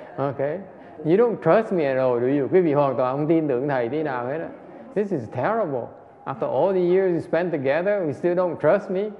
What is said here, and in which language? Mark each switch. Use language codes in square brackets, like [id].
[en] Okay, you don't trust me at all, do you? [vi] Quý vị hoàn toàn không tin tưởng thầy tí nào hết. [en] This is terrible. After all the years we spent together, we still don't trust me.